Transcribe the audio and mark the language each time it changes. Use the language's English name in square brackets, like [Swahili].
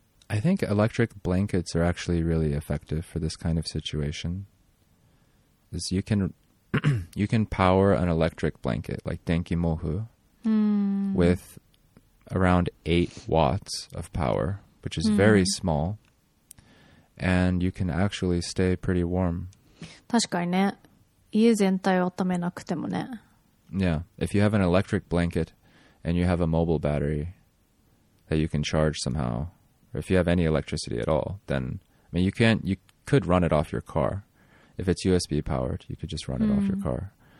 [English] I think electric blankets are actually really effective for this kind of situation. Is you can you can power an electric blanket, like Denki Mohu, with around 8 watts of power, which is very small. And you can actually stay pretty warm. [Japanese] 確かにね。家全体を温めなくてもね。 [English] Yeah. If you have an electric blanket and you have a mobile battery that you can charge somehow, or if you have any electricity at all, then I mean, you could run it off your car. If it's USB powered, you could just run it off your car.